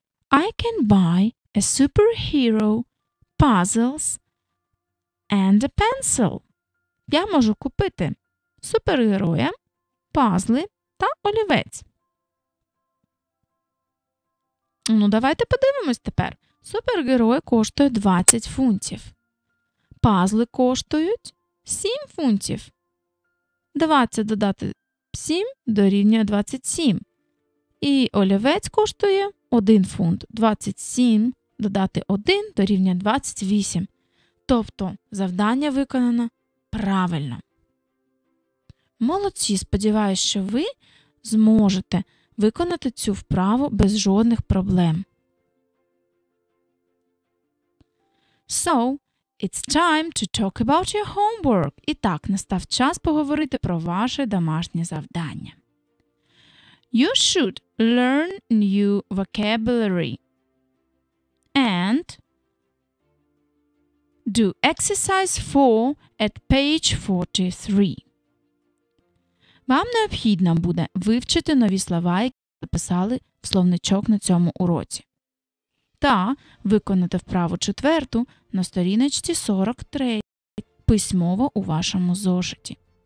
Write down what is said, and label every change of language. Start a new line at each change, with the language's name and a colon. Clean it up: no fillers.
English: I can buy a superhero, puzzles and a pencil.
Ukrainian: Я можу купити супергероя, пазли та олівець. Ну, давайте подивимось тепер. Супергерой коштує 20 фунтів. Пазли коштують 7 фунтів. 20 додати 7 дорівнює 27. І олівець коштує 1 фунт 27, додати 1 дорівнює 28. Тобто завдання виконано правильно. Молодці, сподіваюся, що ви зможете виконати цю вправу без жодних проблем.
English: So, it's time to talk about your homework.
Ukrainian: І так, настав час поговорити про ваше домашнє завдання.
English: You should learn new vocabulary and do exercise 4 at page 43.
Ukrainian: Вам необхідно буде вивчити нові слова, які записали в словничок на цьому уроці. Та виконати вправу четверту на сторіночці 43 письмово у вашому зошиті.